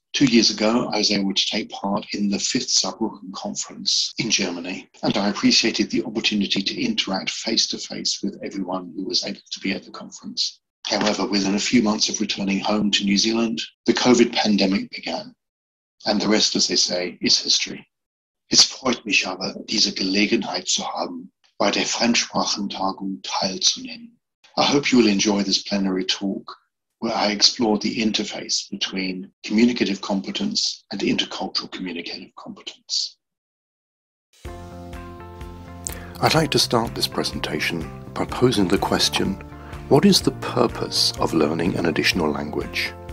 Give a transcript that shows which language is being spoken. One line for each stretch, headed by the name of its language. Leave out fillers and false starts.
English: 2 years ago, I was able to take part in the 5th Saarbrücken Conference in Germany, and I appreciated the opportunity to interact face-to-face with everyone who was able to be at the conference. However, within a few months of returning home to New Zealand, the COVID pandemic began, and the rest, as they say, is history.
German: Es freut mich aber, diese Gelegenheit zu haben, bei der Fremdsprachentagung teilzunehmen.
English: I hope you will enjoy this plenary talk, where I explore the interface between communicative competence and intercultural communicative competence. I'd like to start this presentation by posing the question, what is the purpose of learning an additional language?